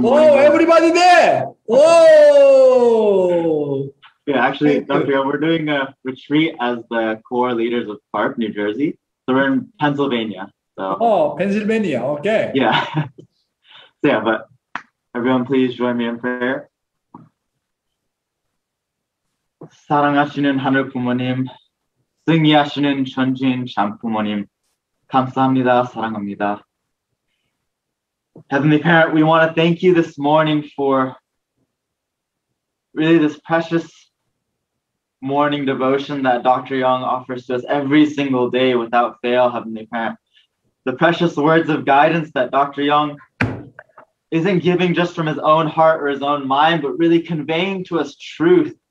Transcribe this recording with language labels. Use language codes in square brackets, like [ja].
[en] morning. Oh, everybody there! Oh! Yeah, actually, Dr. Yong, we're doing a retreat as the core leaders of PARP, New Jersey. So we're in Pennsylvania. So. Oh, Pennsylvania, okay. Yeah. So yeah, but everyone please join me in prayer. [ko] 사랑하시는 하늘 부모님, 승리하시는 전진 참 부모님, 감사합니다, 사랑합니다. [en] Heavenly Parent, we want to thank you this morning for really this precious morning devotion that Dr. Yong offers to us every single day without fail, Heavenly Parent. The precious words of guidance that Dr. Yong isn't giving just from his own heart or his own mind, but really conveying to us truth.